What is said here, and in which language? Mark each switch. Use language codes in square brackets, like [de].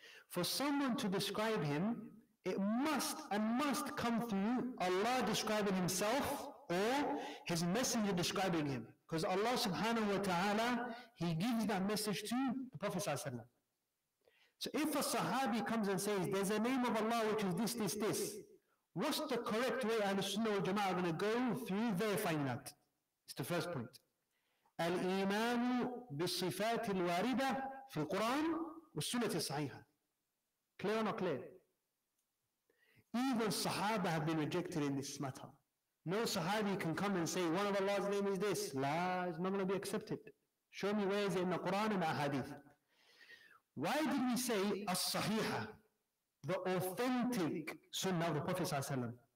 [en] For someone to describe him, it must and must come through Allah describing himself or his messenger describing him. Because Allah subhanahu wa ta'ala, he gives that message to the Prophet sallallahu alayhi wa sallam. So if a sahabi comes and says, there's a name of Allah which is this, this, this. What's the correct way Ahlus-Sunnah wal Jama'ah are going to go through verifying that? It's the first point. [ar] الإيمان بالصفات الواردة في القرآن والسنة الصحيحة. [en] Clear or not clear? Even Sahaba have been rejected in this matter. No Sahabi can come and say, one of Allah's name is this. La, it's not going to be accepted. Show me where is it in the Quran and Ahadith. Why did we say As-Sahiha, the authentic Sunnah of the Prophet ﷺ?